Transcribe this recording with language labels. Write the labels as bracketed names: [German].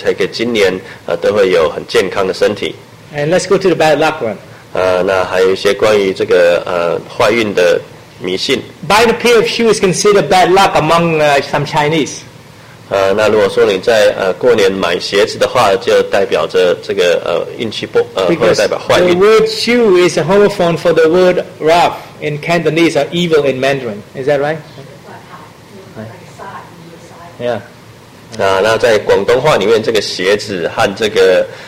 [Chinese] 那也有传说说，在这个新年之前，用这个植物的叶子洗澡，那你才给今年都会有很健康的身体。 [English] And let's go to the bad luck one. [Chinese] 那还有一些关于这个坏运的。迷信. [English] Buying a pair of shoes is considered bad luck among some Chinese. [Chinese] 那如果说你在过年买鞋子的话，就代表着这个运气不，或者代表坏运。 [English] The word shoe is a homophone for the word rough in Cantonese or evil in Mandarin. Is that right? Like side. Yeah. [Chinese] 那在广东话里面，这个鞋子和这个